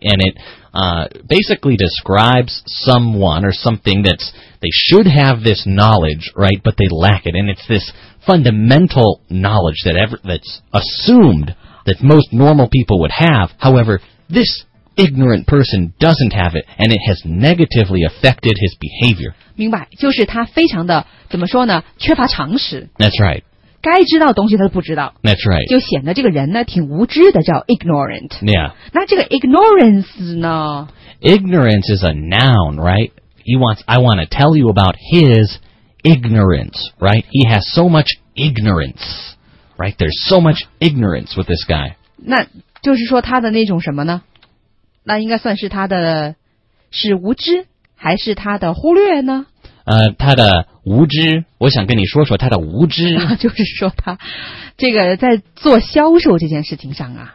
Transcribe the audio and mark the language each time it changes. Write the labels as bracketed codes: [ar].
[en] And it basically describes someone or something that's they should have this knowledge, right? But they lack it, and it's this fundamental knowledge that that's assumed that most normal people would have. However, this ignorant person doesn't have it, and it has negatively affected his behavior. [zh] 明白，就是他非常的怎么说呢？缺乏常识。 [en] That's right. [zh] 该知道东西他都不知道 [en] That's right [zh] 就显得这个人呢挺无知的叫 ignorant [en] Yeah [zh] 那这个 ignorance 呢 [en] Ignorance is a noun, right? I want to tell you about his ignorance, right? He has so much ignorance, right? There's so much ignorance with this guy [zh] 那就是说他的那种什么呢那应该算是他的是无知还是他的忽略呢他的无知我想跟你说说他的无知、啊、就是说他这个在做销售这件事情上啊、